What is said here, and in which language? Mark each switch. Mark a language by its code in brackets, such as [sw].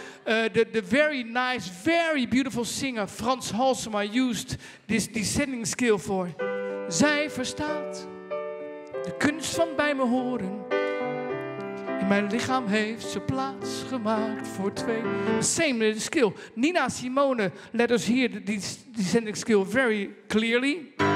[en] The very nice, very beautiful singer, Frans Halsema, used this descending skill for. [nl] Zij verstaat de kunst van bij me horen. In mijn lichaam heeft ze plaats gemaakt voor twee. [en] Same skill. Nina Simone let us hear the descending skill very clearly.